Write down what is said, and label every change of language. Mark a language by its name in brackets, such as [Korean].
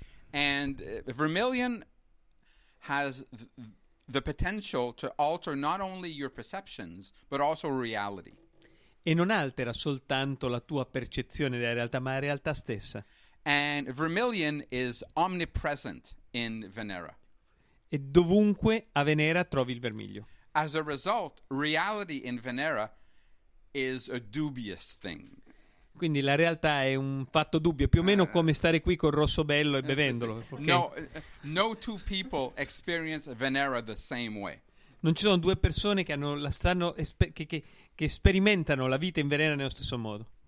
[English] And vermilion has the potential to alter not only your perceptions but also reality. [Italian] E non altera soltanto la tua percezione della realtà, ma la realtà stessa. [English] And vermilion is omnipresent in Venera. [Italian] E dovunque a Venera trovi il vermiglio. [English] As a result, reality in Venera is a dubious thing. [Italian] Quindi la realtà è un fatto dubbio, più o meno come stare qui col rosso bello e bevendolo. [English] Okay? No two people experience Venera the same way. [Italian] Non ci sono due persone che che sperimentano la vita in Venera nello stesso modo.